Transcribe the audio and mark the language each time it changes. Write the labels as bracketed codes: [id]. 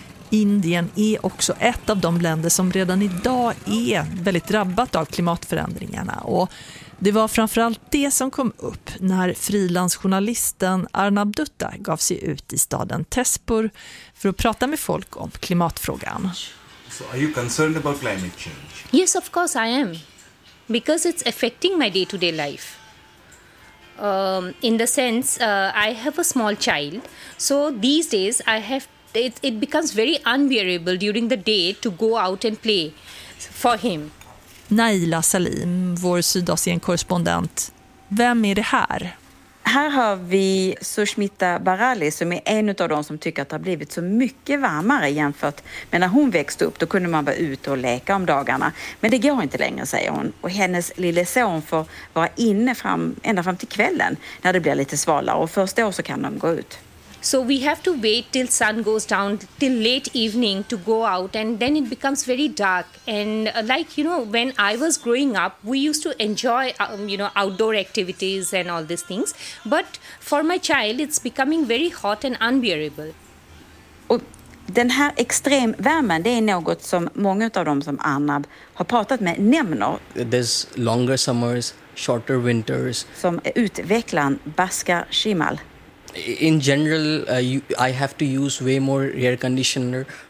[sv] Indien är också ett av de länder som redan idag är väldigt drabbat av klimatförändringarna. Och Det var framförallt det som kom upp när frilansjournalisten Arnab Dutta gav sig ut i staden Tespur för att prata med folk om klimatfrågan. [en] So are you concerned about climate change? Yes, of course I am. Because it's affecting my day-to-day life. In the sense, I have a small child. So these days I have it becomes very unbearable during the day to go out and play for him. [sv] Naila Salim, vår Sydasien-korrespondent. Vem är det här? Här har vi Sushmita Barali som är en av de som tycker att det har blivit så mycket varmare jämfört med när hon växte upp. Då kunde man vara ute och leka om dagarna. Men det går inte längre, säger hon. Och hennes lille son får vara inne ända fram till kvällen när det blir lite svalare. Och först då så kan de gå ut. [en] So we have to wait till sun goes down till late evening to go out, and then it becomes very dark. And like, you know, when I was growing up, we used to enjoy outdoor activities and all these things, but for my child it's becoming very hot and unbearable. [sv] Och den här extremvärmen, det är något som många av dem som Arnab har pratat med nämner. [en] There's longer summers, shorter winters. [sv] Som utvecklaren Baskar Shimal. [en] In general, I have to use way more air conditioner.